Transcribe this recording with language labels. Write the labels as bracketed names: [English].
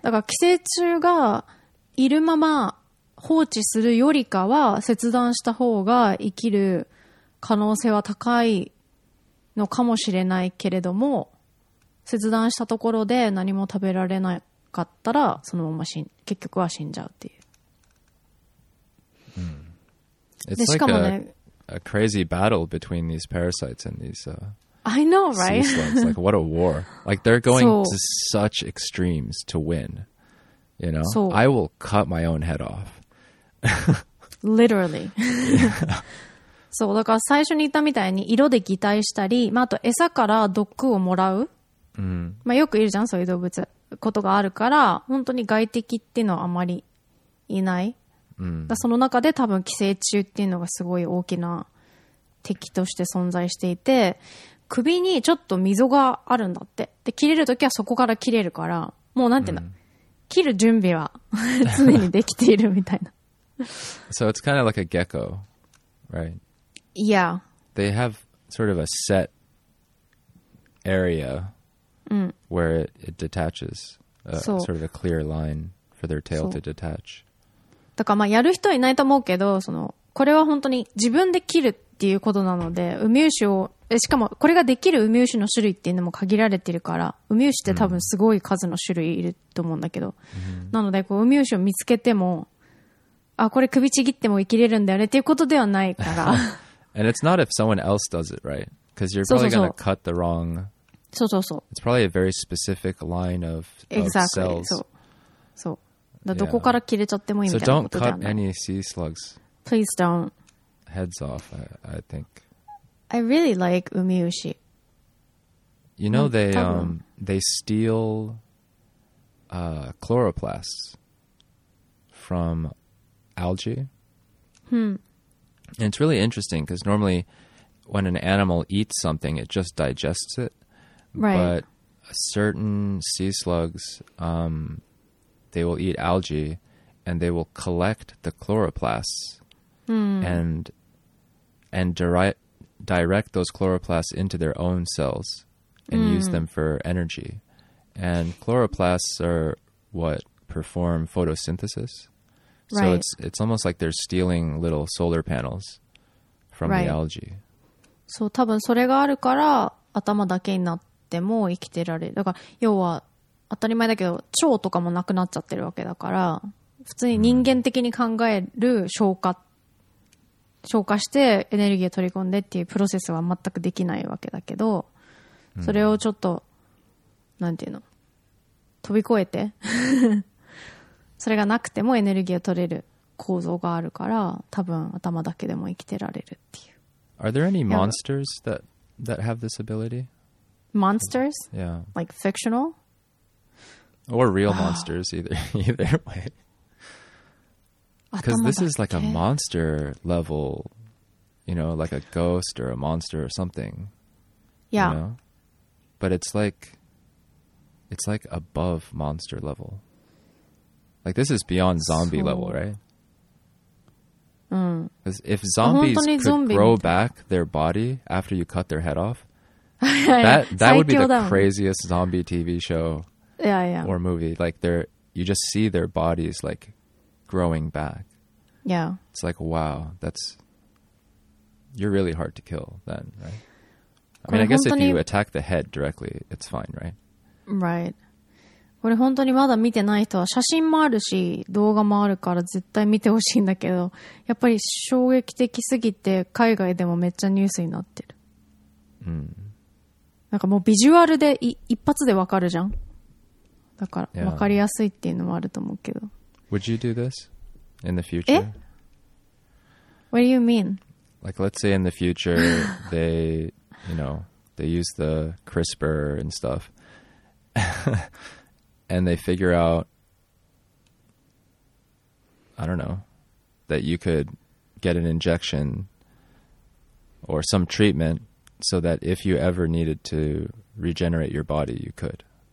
[Japanese] だから寄生虫がいるまま放置するよりかは切断した方が生きる可能性は高いのかもしれないけれども、切断したところで何も食べられなかったらそのまま結局は死んじゃうっていう。うん、でしかもね、 [English] a crazy battle between these parasites and these I know, right? like, what a war. Like, they're going to such extremes to win. You know? So, I will cut my own head off. Literally. [Japanese] そう、だから最初に言ったみたいに色で擬態したり、まあ、あと餌から毒をもらう。 Mm-hmm. まあ、よくいるじゃん、そういう動物。ことがあるから、本当に外敵っていうのはあまりいない。 Mm-hmm. その中で多分寄生虫っていうのがすごい大きな敵として存在していて、首にちょっと溝があるんだって。で、切れるときはそこから切れるから、もうなんていうの、うん、切る準備は常にできているみたいな。 [English] So it's kind of like a gecko, right? Yeah. They have sort of a set area、うん、 where it detaches, sort of a clear line for their tail to detach. [Japanese] だからまあやる人はいないと思うけど、その、これは本当に自分で切るっていうことなので、ウミウシをしかもこれができるウミウシの種類っていうのも限られてるから、ウミウシって多分すごい数の種類いると思うんだけど、うん、なのでこうウミウシを見つけても、あ、これ首ちぎっても生きれるんだよねっていうことではないから。 [English] And it's not if someone else does it, right? Because you're probably going to cut the wrong... [Japanese] そうそうそう。 [English] It's probably a very specific line of cells. Exactly, [Japanese] そう。そう。だどこから切れちゃってもいいみたいなことではない。 [English] So don't cut any sea slugs. Please don't. Heads off, I think. I really like umiushi. You know, they steal chloroplasts from algae. Hmm. And it's really interesting because normally when an animal eats something, it just digests it. Right. But certain sea slugs, they will eat algae and they will collect the chloroplasts and direct those chloroplasts into their own cells and use them for energy. And chloroplasts are what perform photosynthesis. Right. So it's almost like they're stealing little solar panels from the algae. [Japanese] So 多分それがあるから頭だけになっても生きてられる。だから要は当たり前だけど腸とかもなくなっちゃってるわけだから、普通に人間的に考える消化って消化してエネルギーを取り込んでっていうプロセスは全くできないわけだけど、それをちょっと、なんていうの、飛び越えて、それがなくてもエネルギーを取れる構造があるから、多分頭だけでも生きてられるっていう。 [English] Are there any monsters that have this ability? Monsters? Yeah. Like fictional? Or real monsters, either way. Because this is like a monster level, you know, like a ghost or a monster or something. Yeah. You know? But it's like above monster level. Like this is beyond zombie level, right? Because if zombies could grow back their body after you cut their head off, that would be the craziest zombie TV show or movie. Like you just see their bodies like growing back. Yeah. It's like, wow, you're really hard to kill then, right? I mean, I guess if you attack the head directly, it's fine, right? Right. [Japanese] これ本当にまだ見てない人は写真もあるし動画もあるから絶対見てほしいんだけど、やっぱり衝撃的すぎて海外でもめっちゃニュースになってる。うん。なんかもうビジュアルで一発でわかるじゃん。だから分かりやすいっていうのもあると思うけど。 [English] Would you do this? In the future? What do you mean? Like, let's say in the future, they, you know, they use the CRISPR and stuff. And they figure out, I don't know, that you could get an injection or some treatment so that if you ever needed to regenerate your body, you could.